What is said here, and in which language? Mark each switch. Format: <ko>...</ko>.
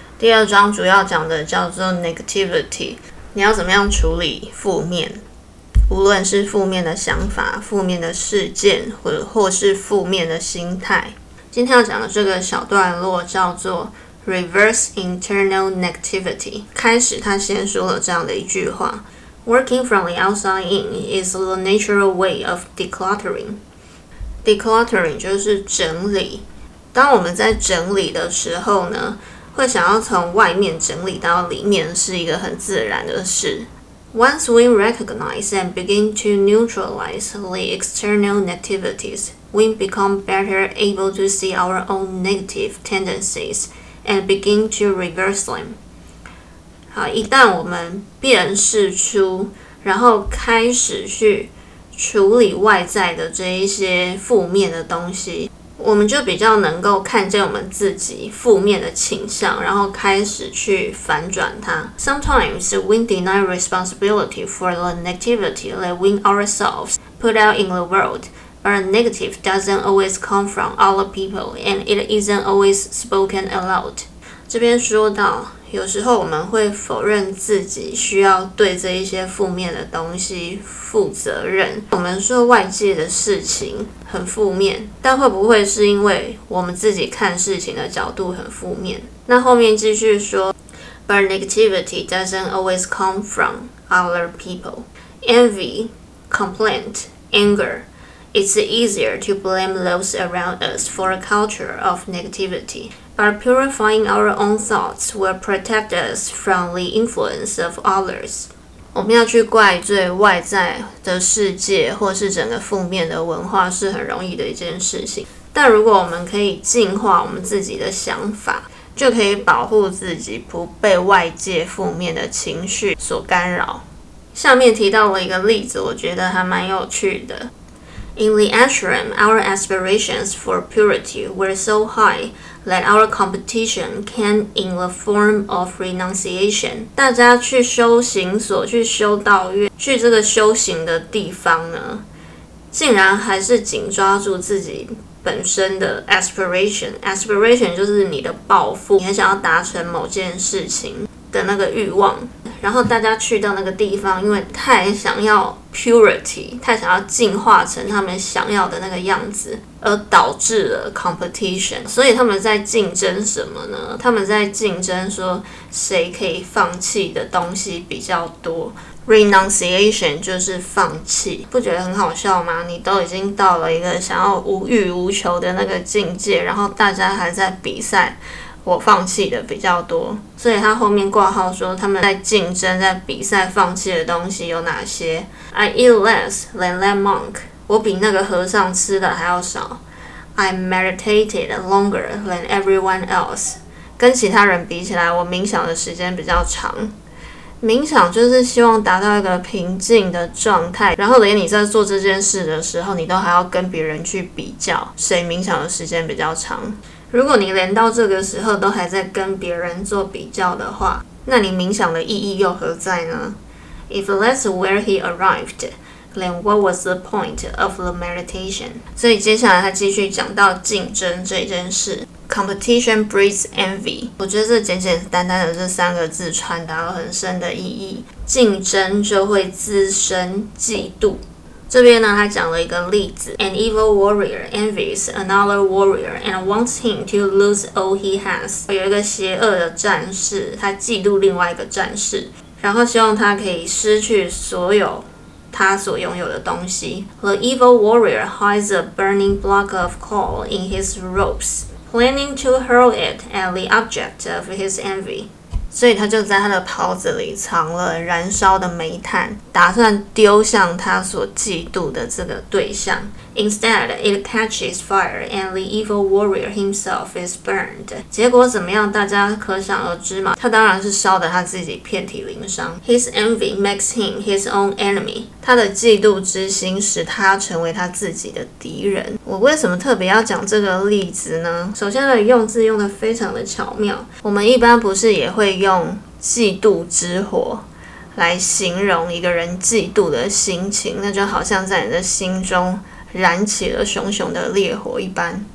<zh>第二章主要讲的叫做 Negativity， 你要怎么样处理负面？无论是负面的想法、负面的事件，或是负面的心态。今天要讲的这个小段落叫做</zh> <en>Reverse Internal Negativity。</en> <zh>开始，他先说了这样的一句话。</zh> <en>Working from the outside in is the natural way of decluttering.</en> <zh>Decluttering 就是整理。当我们在整理的时候呢，会想要从外面整理到里面，是一个很自然的事。</zh> <en>Once we recognize and begin to neutralize the external negativities, we become better able to see our own negative tendencies and begin to reverse them.</en> <zh>一旦我们辨识出，然后开始去处理外在的这一些负面的东西，我们就比较能够看见我们自己负面的倾向，然后开始去反转它。</zh> <en>Sometimes we deny responsibility for the negativity that we ourselves put out in the world, but a negative doesn't always come from other people, and it isn't always spoken aloud.</en> <zh>这边说到。有时候我们会否认自己需要对这一些负面的东西负责任。我们说外界的事情很负面，但会不会是因为我们自己看事情的角度很负面？那后面继续说</zh> <en>，But negativity doesn't always come from other people. Envy, complaint, anger. It's easier to blame those around us for a culture of negativity. But purifying our own thoughts will protect us from the influence of others.</en> <zh>我们要去怪罪外在的世界或是整个负面的文化是很容易的一件事情。但如果我们可以净化我们自己的想法，就可以保护自己不被外界负面的情绪所干扰。下面提到了一个例子，我觉得还蛮有趣的。</zh> <en>In the ashram, our aspirations for purity were so high that our competition came in the form of renunciation.</en> <zh>大家去修行所、去修道院、去这个修行的地方呢，竟然还是紧抓住自己本身的 aspiration. Aspiration 就是你的抱负，你很想要达成某件事情的那个欲望。然后大家去到那个地方，因为太想要 purity， 太想要进化成他们想要的那个样子，而导致了 competition。所以他们在竞争什么呢？他们在竞争说谁可以放弃的东西比较多。 Renunciation 就是放弃，不觉得很好笑吗？你都已经到了一个想要无欲无求的那个境界，然后大家还在比赛。我放弃的比较多，所以他后面挂号说他们在竞争、在比赛放弃的东西有哪些 ？</zh> <en>I eat less than that monk.</en> <zh>我比那个和尚吃的还要少。</zh> <en>I meditated longer than everyone else.</en> <zh>跟其他人比起来，我冥想的时间比较长。冥想就是希望达到一个平静的状态，然后连你在做这件事的时候，你都还要跟别人去比较谁冥想的时间比较长。如果你连到这个时候都还在跟别人做比较的话，那你冥想的意义又何在呢？</zh> <en>If that's where he arrived, then what was the point of the meditation?</en> <zh>所以接下来他继续讲到竞争这件事。</zh> <en>Competition breeds envy.</en> <zh>我觉得这简简单单的这三个字传达了很深的意义。竞争就会滋生嫉妒。这边呢，他讲了一个例子</zh> <en>：An evil warrior envies another warrior and wants him to lose all he has.</en> <zh>有一个邪恶的战士，他嫉妒另外一个战士，然后希望他可以失去所有他所拥有的东西。</zh> <en>The evil warrior hides a burning block of coal in his ropes, planning to hurl it at the object of his envy.</en> <zh>所以他就在他的袍子里藏了燃烧的煤炭，打算丢向他所嫉妒的这个对象。</zh> <en>Instead, it catches fire and the evil warrior himself is burned.</en> <zh>结果怎么样，大家可想而知嘛。他当然是烧得他自己遍体鳞伤。</zh> <en>His envy makes him his own enemy.</en> <zh>他的嫉妒之心使他成为他自己的敌人。我为什么特别要讲这个例子呢？首先的用字用得非常的巧妙。我们一般不是也会用嫉妒之火来形容一个人嫉妒的心情，那就好像在你的心中燃起了熊熊的烈火一般。</zh>